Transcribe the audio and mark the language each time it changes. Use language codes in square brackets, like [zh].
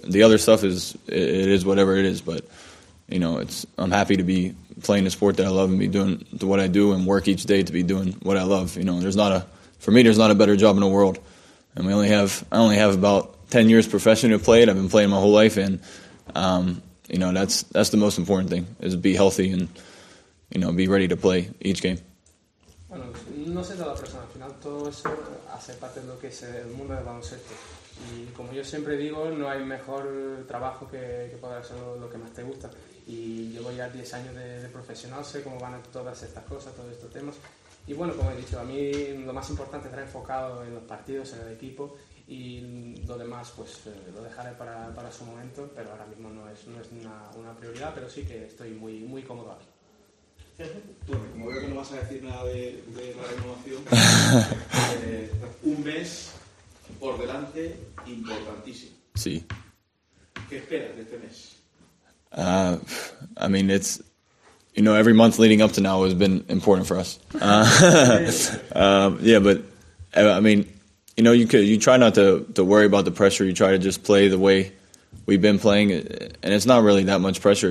[en] The other stuff is whatever it is, but you know, I'm happy to be playing a sport that I love and be doing what I do and work each day to be doing what I love. You know, there's not a better job in the world. And I only have about 10 years professionally played. I've been playing my whole life, and you know, that's the most important thing, is be healthy and, you know, be ready to play each game. [es] Bueno, no sé de la persona, al final todo eso hace parte de lo que es el mundo del baloncesto. Y como yo siempre digo, no hay mejor trabajo que poder hacer lo que más te gusta. Y llevo ya 10 años de profesional, sé cómo van todas estas cosas, todos estos temas. Y bueno, como he dicho, a mí lo más importante es estar enfocado en los partidos, en el equipo. Y lo demás, pues lo dejaré para su momento, pero ahora mismo no es una prioridad, pero sí que estoy muy, muy cómodo aquí. Bueno, como veo que no vas a decir nada de la renovación, un mes por delante importantísimo. Sí. ¿Qué esperas de este mes? [en] I mean, it's, you know, every month leading up to now has been important for us. yeah, but I mean, you know, you try not to worry about the pressure. You try to just play the way we've been playing, and it's not really that much pressure.